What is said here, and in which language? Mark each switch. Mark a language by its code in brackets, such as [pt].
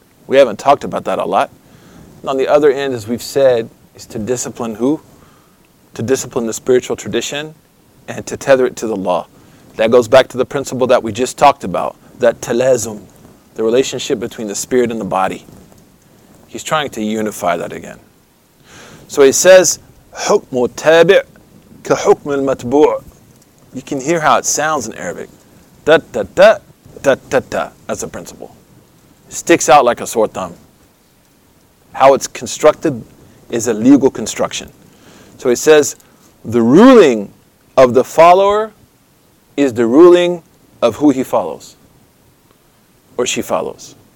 [en] We haven't talked about that a lot. And on the other end, as we've said, is to discipline who? To discipline the spiritual tradition and to tether it to the law. That goes back to the principle that we just talked about, that talazum, the relationship between the spirit and the body. He's trying to unify that again. So he says, [ar] حُكْمُ تَابِعْ كَحُكْمُ الْمَتْبُوعُ. [en] You can hear how it sounds in Arabic. Da-da-da-da-da-da. That's a principle. It sticks out like a sore thumb. How it's constructed is a legal construction. So he says, the ruling of the follower is the ruling of who he follows or she follows.